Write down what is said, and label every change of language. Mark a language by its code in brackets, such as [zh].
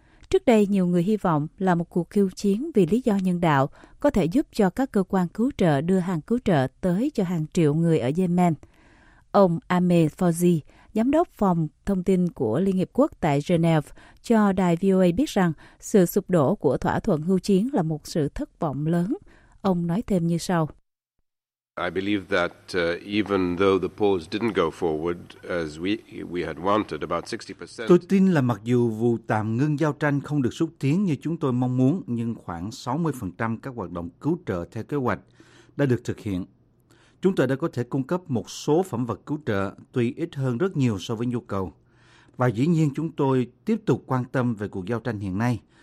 [vi] Trước đây, nhiều người hy vọng là một cuộc khiêu chiến vì lý do nhân đạo có thể giúp cho các cơ quan cứu trợ đưa hàng cứu trợ tới cho hàng triệu người ở Yemen. Ông Ahmed Fawzi, Giám đốc phòng thông tin của Liên Hiệp Quốc tại Geneva, cho đài VOA biết rằng sự sụp đổ của thỏa thuận hưu chiến là một sự thất vọng lớn. Ông nói thêm như sau. [en] I believe that even though the pause didn't go forward as we had wanted, about 60%. [vi] Tôi tin là mặc dù vụ tạm ngưng giao tranh không được xúc tiến như chúng tôi mong muốn, nhưng khoảng 60% các hoạt động cứu trợ theo kế hoạch đã được thực hiện. Chúng tôi đã có thể cung cấp một số phẩm vật cứu trợ, tuy ít hơn rất nhiều so với nhu cầu. Và dĩ nhiên chúng tôi tiếp tục quan tâm về cuộc giao tranh hiện nay,